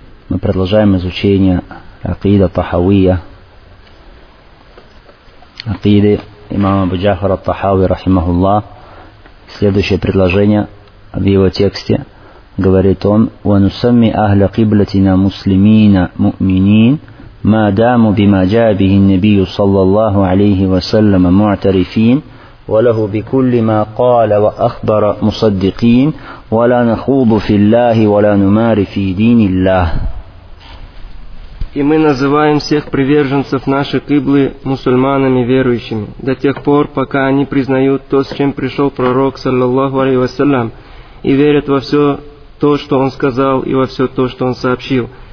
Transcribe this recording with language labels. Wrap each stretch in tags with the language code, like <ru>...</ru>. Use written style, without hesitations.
<ru>Мы продолжаем изучение акида тахавия. Акиды имама Абу Джафара ат-Тахави рахимахуллах. Следующее предложение в его тексте говорит он:</ru> <ar>"Ва нусамми ахля киблатина муслимина муъминин". ما داموا بما جاء به النبي صلى الله عليه وسلم معترفين وله بكل ما قال وأخبر مصدقين ولا نخوض في الله ولا نمار في دين الله.</ar> <ru>И мы называем всех приверженцев нашей Кыблы мусульманами верующими до тех пор, пока они признают то, с чем пришел пророк</ru> <ar>صلى الله عليه وسلم,</ar> <ru>и верят во все то, что он сказал, и во все то, что он сообщил.</ru>